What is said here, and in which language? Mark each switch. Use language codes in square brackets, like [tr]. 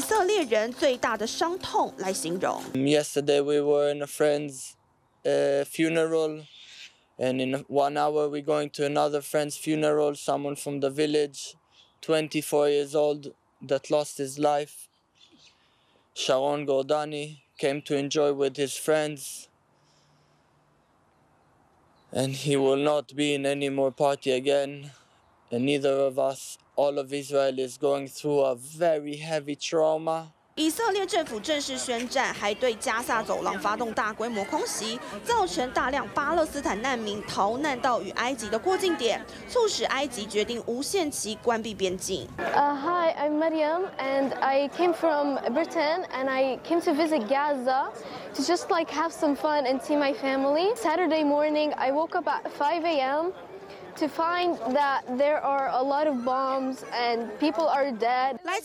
[zh] 身为纳塔雅胡最重要的盟友，以色列财政部长也公开发声说，政府失责。现在能做的就是竭尽一切和人民站在一起。以色列总统赫佐格也去视察遭袭击的屯垦村庄，只见凌乱的街道布满弹孔的房间，一片狼藉。最后，他也替罹难者点蜡烛致哀。但这场战争带来的悲伤，让曾经在音乐季经历过生死一瞬间的幸存者，也用以色列人最大的伤痛来形容。 [en] Yesterday we were in a friend's funeral. And in 1 hour, we're going to another friend's funeral, someone from the village, 24 years old, that lost his life. Sharon Gordani came to enjoy with his friends. And he will not be in any more party again. And neither of us, all of Israel, is going through a very heavy trauma. [zh] 以色列政府正式宣战，还对加萨走廊发动大规模空袭，造成大量巴勒斯坦难民逃难到与埃及的过境点，促使埃及决定无限期关闭边境。 [en] Hi, I'm Maryam, and I came from Britain, and I came to visit Gaza to just like have some fun and see my family. Saturday morning, I woke up at 5 a.m. to find that there are a lot of bombs and people are dead.